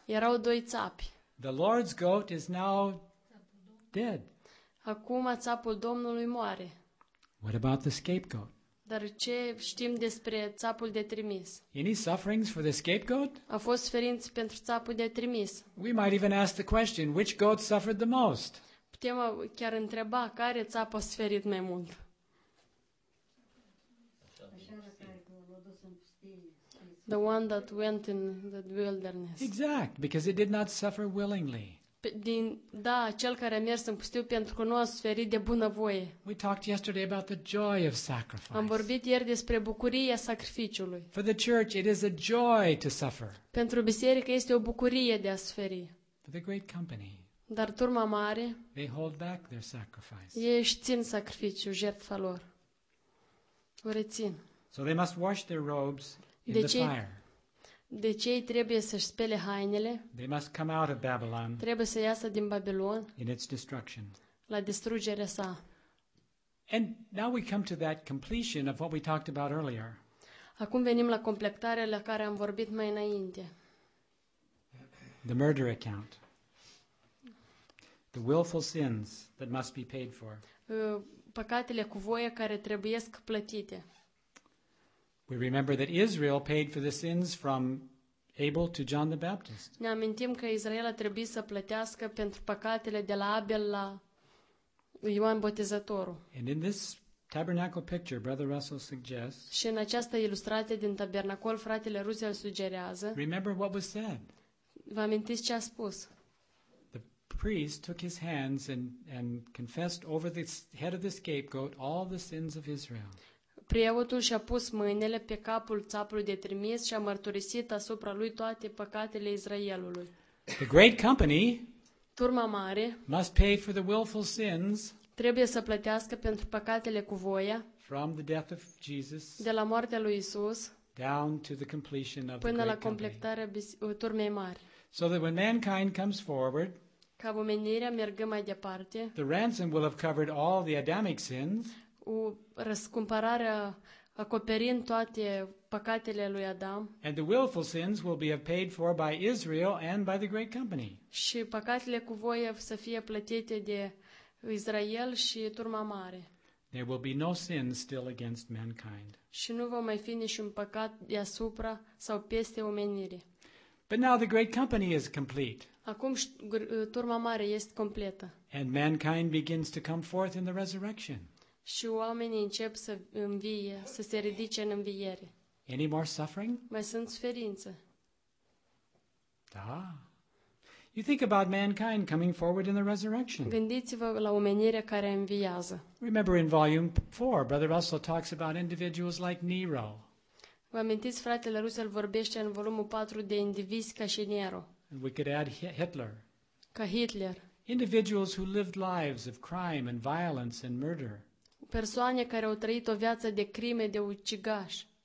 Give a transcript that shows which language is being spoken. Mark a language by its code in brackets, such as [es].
[ro] Erau doi țapi. [en] The Lord's goat is now dead. [ro] Acum țapul Domnului moare. [en] What about the scapegoat? [ro] Dar ce știm despre țapul de trimis? [en] Any sufferings for the scapegoat? [ro] A fost suferință pentru țapul de trimis. [en] We might even ask the question, which goat suffered the most? [ro] Putem chiar întreba care țap a suferit mai mult. [en] The one that went in the wilderness. Exact, because it did not suffer willingly. [ro] cel care a mers în pustiu pentru că nu a suferit de bunăvoie. [en] We talked yesterday about the joy of sacrifice. [ro] Am vorbit ieri despre bucuria sacrificiului. [en] For the church it is a joy to suffer. [ro] Pentru biserică este o bucurie de a suferi. [en] For the great company. [ro] Dar turma mare, [en] they hold back their sacrifice. [ro] Ei își țin sacrificiul, jertfa lor. O rețin. [en] So they must wash their robes in the fire. [ro] Deci ei trebuie să-și spele hainele. [en] They must come out of Babylon. [ro] Trebuie să iasă din Babilon. [en] In its destruction. [ro] La distrugerea sa. [en] And now we come to that completion of what we talked about earlier. [ro] Acum venim la completarea la care am vorbit mai înainte. [en] The murder account. The willful sins that must be paid for. [ro] Păcatele cu voie care trebuiesc plătite. [en] We remember that Israel paid for the sins from Abel to John the Baptist. [ro] Ne amintim că Israel a trebuit să plătească pentru păcatele de la Abel la Ioan Botezătorul. [en] And in this tabernacle picture, Brother Russell suggests. [ro] Și în această ilustrație din tabernacol, fratele Russell sugerează. [en] Remember what was said. [ro] Vă amintiți ce a spus? [en] Priest took his hands and confessed over the head of the scapegoat all the sins of Israel. [ro] Preotul și-a pus mâinile pe capul țapului de trimis și a mărturisit asupra lui toate păcatele Israelului. [en] The great company, [ro] turma mare, [en] must pay for the willful sins. [ro] Trebuie să plătească pentru păcatele cu voia. [en] From the death of Jesus. [ro] De la moartea lui Isus. [en] Down to the completion of the great company. [ro] Până la completarea turmei mari. [en] So that when mankind comes forward, [ro] ca omenirea mergă mai departe. [en] The ransom will have covered all the Adamic sins. [ro] O răscumpărare acoperind toate păcatele lui Adam. [en] And the willful sins will be paid for by Israel and by the great company. [ro] Și păcatele cu voie să fie plătite de Israel și turma mare. [en] There will be no sin still against mankind. [ro] Și nu va mai fi niciun păcat deasupra sau peste omenire. [en] But now the great company is complete. [ro] Acum turma mare este completă. [en] And mankind begins to come forth in the resurrection. [ro] Și oamenii încep să învie, să se ridice în înviere. [en] Any more suffering? [ro] Mai sunt suferință. Da. [en] You think about mankind coming forward in the resurrection. [ro] Gândiți-vă la omenirea care înviază. [en] Remember in volume 4, Brother Russell talks about individuals like Nero. [ro] Vă amintiți, fratele Russell vorbește în volumul 4 de indivizi ca și Nero. [en] And we could add Hitler. [ro] Ca Hitler. [en] Individuals who lived lives of crime and violence and murder. [ro] Persoane care au trăit o viață de crime, de ucigași.